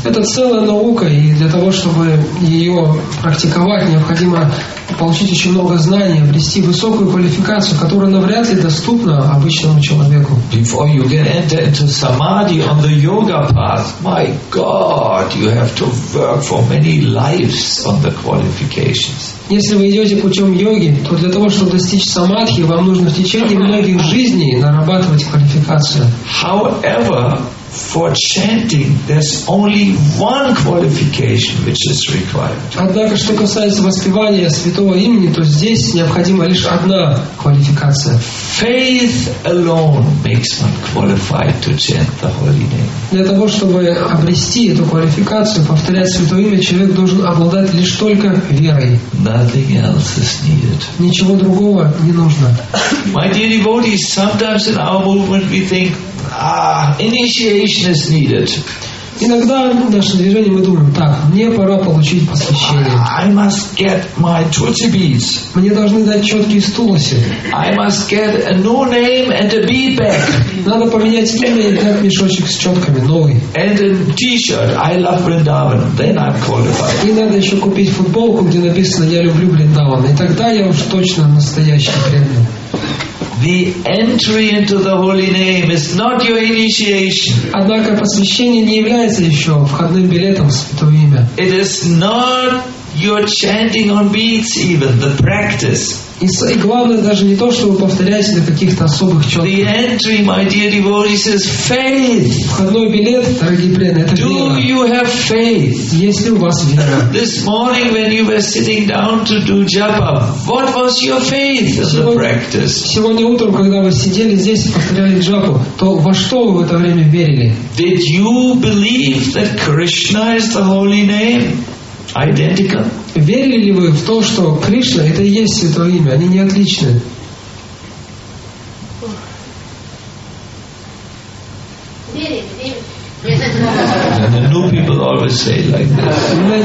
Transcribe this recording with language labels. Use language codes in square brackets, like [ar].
[ru] Это целая наука, и для того, чтобы ее практиковать, необходимо получить очень много знаний, обрести высокую квалификацию, которая навряд ли доступна обычному человеку. [en] Before you can enter into samadhi on the yoga path, my God, you have to work for many lives on the qualifications. [ru] Если вы идете путем йоги, то для того, чтобы достичь самадхи, вам нужно в течение многих жизней нарабатывать квалификацию. [en] However, for chanting, there's only one qualification which is required. [ru] Однако, что касается воспевания святого имени, то здесь необходима лишь одна квалификация. [en] Faith alone makes one qualified to chant the holy name. [ru] Для того, чтобы обрести эту квалификацию, повторять святое имя, человек должен обладать лишь только верой. [en] Nothing else is needed. [ru] Ничего другого не нужно. [en] My dear devotees, sometimes in our movement we think, initiation is needed. [ru] Иногда в нашем движении мы думаем, так, мне пора получить посвящение. [en] I must get my tulsi beads. [ru] Мне должны дать четкие стулоси. [en] I must get a new name and a bead bag. [ru] Надо поменять имя и дать мешочек с четками, новый. [en] And a t-shirt. I love Vrindavan. Then I'm qualified. [ru] И надо еще купить футболку, где написано «Я люблю Вриндаван». И тогда я уж точно настоящий преданный. [en] The entry into the holy name is not your initiation. [ru] Однако посвящение не является еще входным билетом в святое имя. [en] It is not your chanting on beads even, the practice. [ru] И главное даже не то, что вы повторяете для каких-то особых четких. [en] The entry, my dear devotees, is faith. [ru] Входной билет, дорогие преданные, это вера. [en] Do you have faith? [ru] Есть ли у вас вера? [en] This morning when you were sitting down to do japa, what was your faith in the practice? [ru] Сегодня утром, когда вы сидели здесь и повторяли джапу, то во что вы в это время верили? [en] Did you believe that Krishna is the holy name? Identical. [ru] Верили ли вы в то, что Кришна — это и есть святое имя, они не отличны? [en] And the new people always say like this.